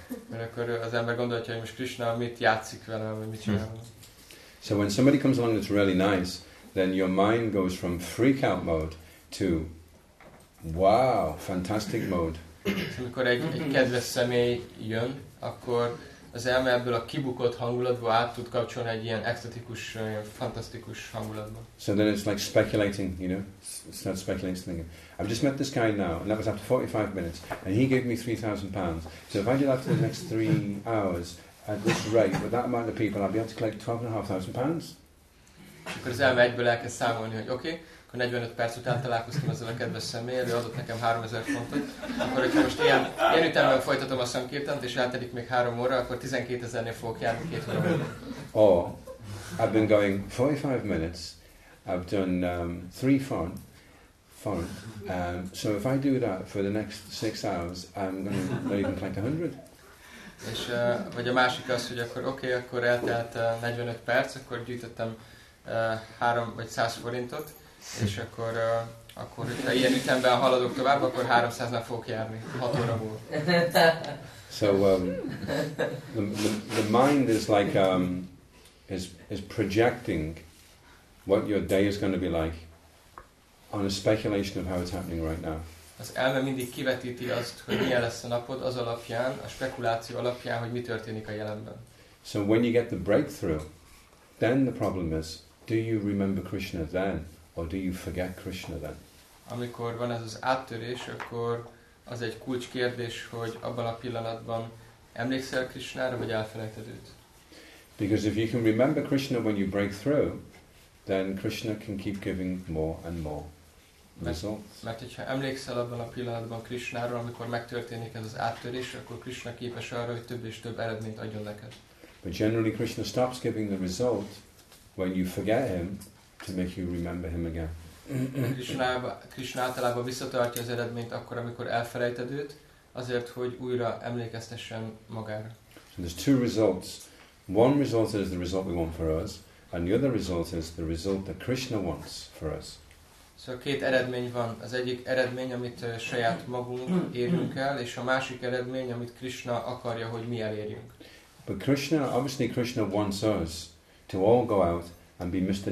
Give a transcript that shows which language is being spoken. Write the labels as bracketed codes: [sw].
[hu] Mert akkor az ember gondolja, hogy most Krishna mit játszik vele, vagy mit csinál. [en] So when somebody comes along that's really nice, then your mind goes from freak out mode to wow, fantastic mode. [hu] És amikor egy kedves személy jön, akkor az elme ebből a kibukott hangulatból át tud kapcsolni egy ilyen extatikus, ilyen fantasztikus hangulatba. [en] So then it's like speculating, you know? It's not speculating. I've just met this guy now, and that was after 45 minutes, and he gave me £3,000. So if I do that for the next 3 hours, at this rate, with that amount of people, I'll be able to collect £12,500. [hu] És akkor az elme egyből elkezd számolni, hogy oké, akkor 45 perc után találkoztam ezzel a kedves személlyel, ő adott nekem 3000 fontot, akkor hogyha most ilyen ütemben folytatom a szankirtant, és eltedik még 3 óra, akkor 12000-nél fogok járni 2 óra. [en] Or, I've been going 45 minutes, I've done 3 fonts, so if I do that for the next 6 hours, I'm going to not even collect 100. [hu] És vagy a másik az, hogy akkor oké, akkor eltelt 45 perc, akkor gyűjtöttem 3 vagy 100 forintot, és akkor akkor ha ilyen ütemben haladok tovább, akkor 300 nap fogok járni, 6 óra múlva. [en] So the mind is like is projecting what your day is going to be like on a speculation of how it's happening right now. [hu] Az elme mindig kivetíti azt, hogy milyen lesz a napod az alapján, a spekuláció alapján, hogy mi történik a jelenben. [en] So when you get the breakthrough, then the problem is, do you remember Krishna then, or do you forget Krishna then? [hu] Amikor van ez az áttörés, akkor az egy kulcs kérdés, hogy abban a pillanatban emlékszel Krishnára, vagy elfelejted őt? [en] Because if you can remember Krishna when you break through, then Krishna can keep giving more and more results. [hu] Mert hogyha emlékszel abban a pillanatban Krishnára, amikor megtörténik ez az áttörés, akkor Krishna képes arra, hogy több és több eredményt adjon neked. [en] But generally Krishna stops giving the result when you forget him to make you remember him again. [hu] Krishna általában visszatartja az eredményt akkor, amikor elfelejted őt, azért, hogy újra emlékeztessen magára. [en] So there's two results. One result is the result we want for us, and the other result is the result that Krishna wants for us. [hu] So két eredmény van. Az egyik eredmény, amit saját magunk érünk el, és a másik eredmény, amit Krishna akarja, hogy mi elérjünk. [en] But Krishna, obviously Krishna wants us to all go out and be Mr.